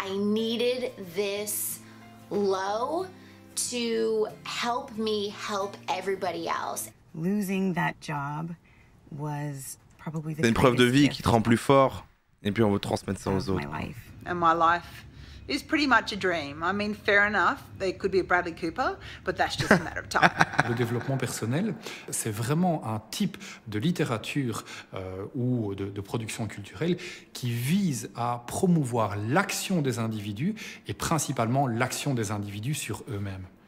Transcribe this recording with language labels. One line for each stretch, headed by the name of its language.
English: I needed this low to help me help everybody else. Losing that job was probably the
French: c'est une preuve de vie qui te rend plus fort et puis on veut transmettre ça aux autres.
English: And my life is pretty much a dream. I mean, fair enough, they could be a Bradley Cooper, but that's just a matter of time.
French: Le développement personnel, c'est vraiment un type de littérature ou de production culturelle qui vise à promouvoir l'action des individus et principalement l'action des individus sur eux-mêmes.